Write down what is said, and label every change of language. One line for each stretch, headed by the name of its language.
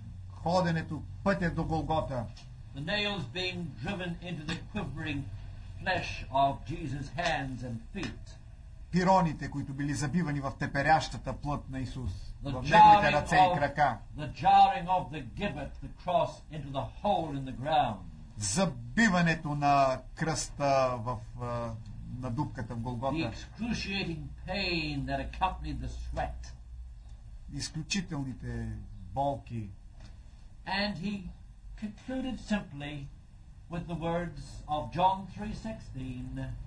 Bulgarian: Ходенето, пътя до Голгота.
English: The nails being driven into the quivering flesh of Jesus' hands and feet.
Bulgarian: Пироните, които били забивани в теперящата плът на Исус,
English: The jarring of the gibbet, the cross, into the hole in the ground.
Bulgarian: Забиването на кръста в на дупката в Голгота.
English: The excruciating pain that accompanied the sweat.
Bulgarian: Изключителните болки.
English: And he concluded simply with the words of John 3:16.